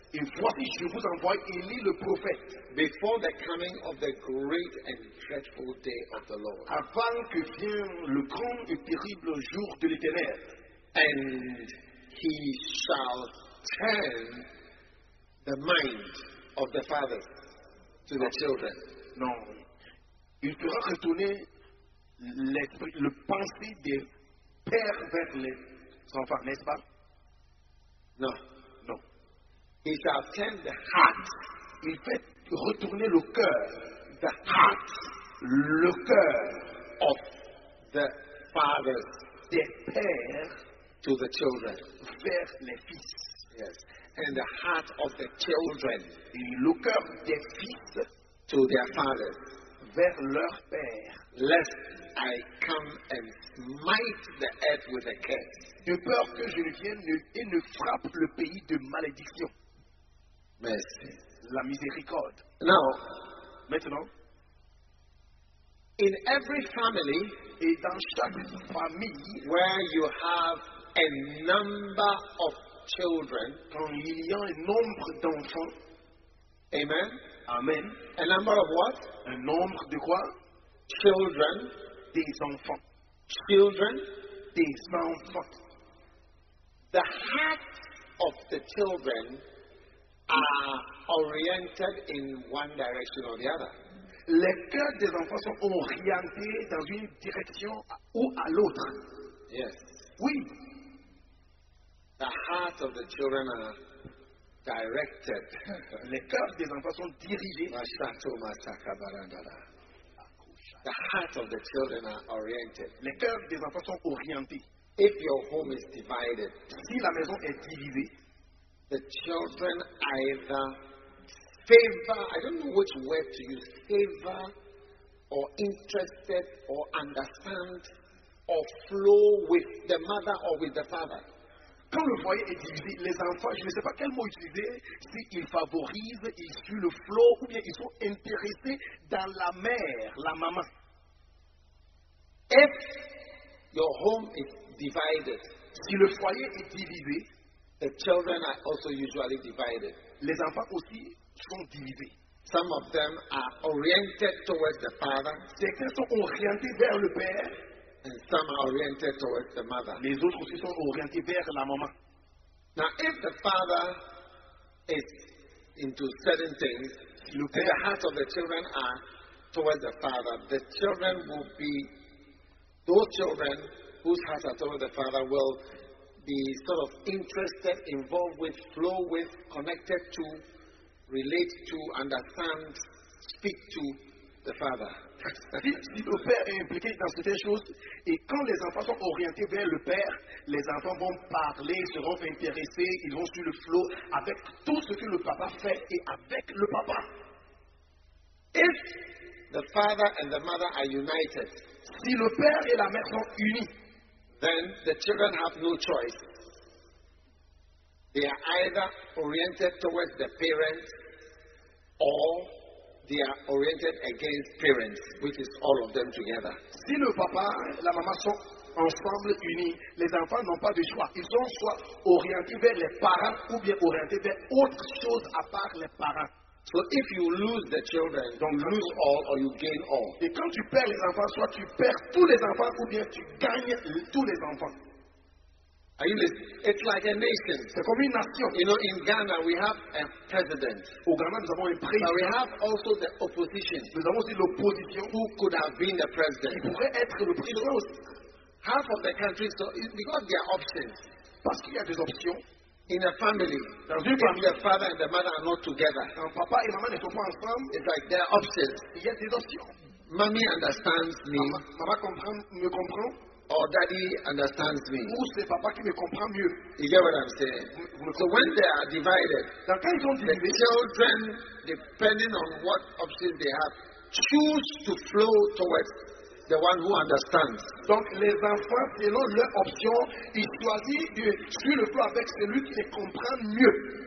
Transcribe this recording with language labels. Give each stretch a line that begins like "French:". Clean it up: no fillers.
French: Et voici, je vous envoie Élie le prophète.
English: Before the coming of the great and dreadful day of the Lord.
French: Avant que vienne le grand et terrible jour de l'Éternel.
English: And he shall turn the mind of the fathers to the children.
French: Non. Il fera retourner l'esprit, le pensée des pères vers les enfants, n'est-ce pas? Non. Non.
English: He shall turn the heart.
French: Il fait retourner le cœur.
English: The heart.
French: Le cœur
English: of the fathers.
French: Des pères
English: to the children.
French: Vers les fils.
English: Yes. And the heart of the children,
French: et le cœur des fils,
English: to their fathers,
French: vers leur père,
English: lest I come and smite the earth with a curse,
French: de peur que je ne vienne et ne frappe le pays de malédiction. Merci. La miséricorde.
English: Now,
French: maintenant,
English: in every family,
French: et dans chaque famille,
English: where you have a number of children,
French: quand il y a un nombre d'enfants,
English: amen,
French: amen,
English: a number of what?
French: Un nombre de quoi?
English: Children,
French: des enfants.
English: Children,
French: des enfants.
English: The hearts of the children are oriented in one direction or the other.
French: Les cœurs des enfants sont orientés dans une direction ou à l'autre.
English: Yes.
French: Oui.
English: The heart of the children are directed.
French: Les cœurs des enfants sont dirigés.
English: The heart of the children are oriented.
French: Les cœurs des enfants sont orientés.
English: If your home is divided,
French: si la maison est divisée,
English: the children either favor—I don't know which word to use—favor or interested or understand or flow with the mother or with the father.
French: Quand le foyer est divisé, les enfants, je ne sais pas quel mot utiliser, s'ils favorisent, ils suivent le flot, ou bien ils sont intéressés dans la mère, la maman.
English: If your home is divided,
French: si le foyer est divisé,
English: the children are also usually divided.
French: Les enfants aussi sont divisés.
English: Some of them are oriented towards the father.
French: Certains sont orientés vers le père.
English: And some are oriented towards the mother.
French: Les autres aussi sont orientés vers la maman.
English: Now, if the father is into certain things,
French: si le père,
English: and the hearts of the children are towards the father, the children will be, those children whose hearts are towards the father will be sort of interested, involved with, flow with, connected to, relate to, understand, speak to the father.
French: Si le père est impliqué dans certaines choses, et quand les enfants sont orientés vers le père, les enfants vont parler, seront intéressés, ils vont suivre le flot avec tout ce que le papa fait et avec le papa.
English: If the father and the mother are united,
French: si le père et la mère sont unis,
English: then the children have no choice. They are either oriented towards the parents or they are oriented against parents, which is all of them together.
French: Si le papa et la maman sont ensemble unis, les enfants n'ont pas de choix. Ils sont soit orientés vers les parents ou bien orientés vers autre chose à part les parents.
English: So if you lose the children, don't lose all or you gain all.
French: Et quand tu perds les enfants, soit tu perds tous les enfants ou bien tu gagnes tous les enfants.
English: Are you listening? It's like a nation.
French: C'est comme une nation.
English: You know, in Ghana, we have a president.
French: Au Ghana, nous avons un président.
English: But we have also the opposition.
French: Nous avons aussi l'opposition.
English: Who could have been the president?
French: Qui pourrait être le président?
English: Half of the country, so because there are options.
French: Parce qu'il y a des options.
English: In a family.
French: Dans une famille.
English: The father and the mother are not together.
French: Quand papa et maman ne sont pas ensemble.
English: It's like there are options.
French: Il y a des options.
English: Mommy understands me.
French: Papa comprend, me comprend.
English: Or daddy understands me.
French: Ou c'est papa qui me comprend mieux.
English: You get what I'm saying? So when they are divided,
French: divisé,
English: the children, depending on what options they have, choose to flow towards the one who understands.
French: Donc les enfants, selon leur option, ils choisissent de suivre le flow avec celui qui les comprend mieux.